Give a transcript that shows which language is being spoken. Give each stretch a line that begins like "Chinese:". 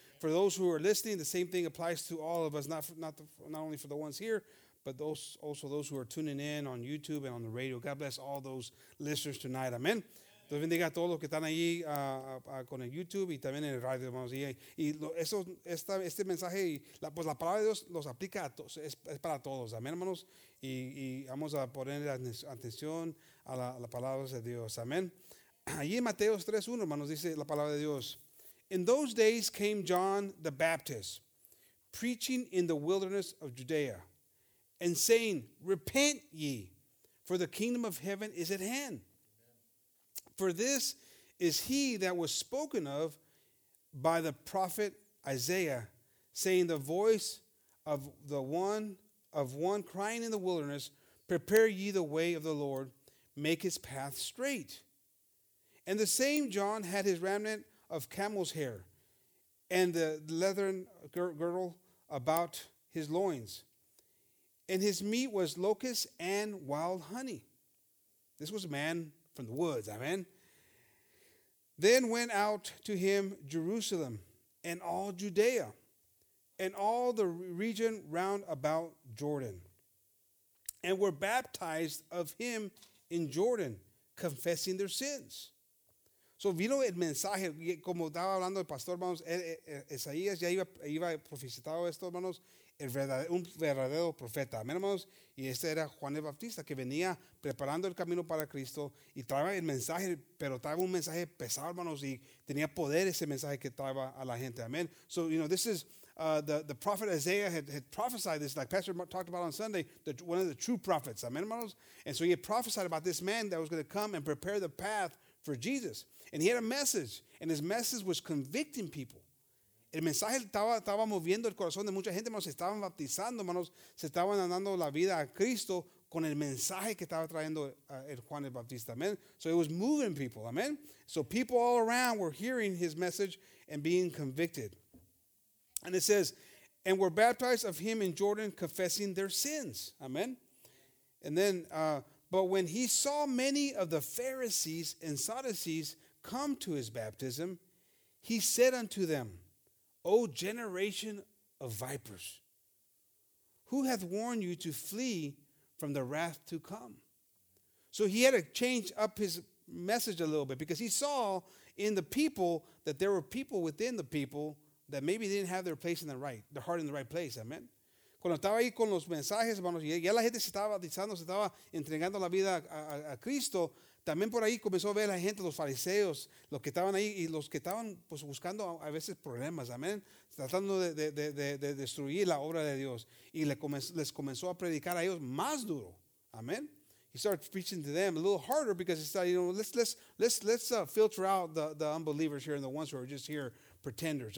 English: For those who are listening, the same thing applies to all of us, not only for the ones here, but also those who are tuning in on YouTube and on the radio. God bless all those listeners tonight. Amen.
Spanish: Dios bendiga a todos los que están ahí con el YouTube y también en el radio, hermanos. Este mensaje, la palabra de Dios los aplica a todos, es para todos, amén, hermanos. Y vamos a poner atención a la palabra de Dios, amén. Allí en Mateo 3:1, hermanos, dice la palabra de Dios.
English: In those days came John the Baptist, preaching in the wilderness of Judea, and saying, repent ye, for the kingdom of heaven is at hand. For this is he that was spoken of by the prophet Isaiah, saying, the voice of one crying in the wilderness, prepare ye the way of the Lord, make his path straight. And the same John had his remnant of camel's hair and the leathern girdle about his loins. And his meat was locusts and wild honey. This was a man from the woods, amen. Then went out to him Jerusalem and all Judea and all the region round about Jordan, and were baptized of him in Jordan, confessing their sins.
Spanish: So vino el mensaje, como estaba hablando el pastor, hermanos, Isaías ya iba profetizado esto, hermanos, un verdadero profeta, hermanos, y este era Juan el Bautista, que venía preparando el camino para Cristo, y traía el mensaje, pero traía un mensaje pesado, hermanos, y tenía poder ese mensaje que traía a la gente, amen.
English: So, you know, this is the prophet Isaiah had prophesied this, like Pastor talked about on Sunday, one of the true prophets, amen, hermanos. And so he had prophesied about this man that was going to come and prepare the path for Jesus. And he had a message, and his message was convicting people.
Spanish: El mensaje estaba moviendo el corazón de mucha gente, hermanos, se estaban bautizando, hermanos, se estaban dando la vida a Cristo con el mensaje que estaba trayendo el Juan el Bautista, amen.
English: So it was moving people, amen. So people all around were hearing his message and being convicted. And it says, and were baptized of him in Jordan, confessing their sins, amen. And then, but when he saw many of the Pharisees and Sadducees come to his baptism, he said unto them, O generation of vipers, who hath warned you to flee from the wrath to come? So he had to change up his message a little bit, because he saw in the people that there were people within the people that maybe didn't have their place in the right, their heart in the right place. Amen.
Spanish: Cuando estaba ahí con los mensajes, hermanos, ya la gente se estaba bautizando, se estaba entregando la vida a Cristo. También por ahí comenzó a ver a la gente, los fariseos, los que estaban ahí y los que estaban pues buscando a veces problemas, amén, tratando de destruir la obra de Dios. Y les comenzó a predicar a ellos más duro, amén.
English: he started preaching to them a little harder because he thought, you know, let's filter out the unbelievers here and the ones who are just here pretenders.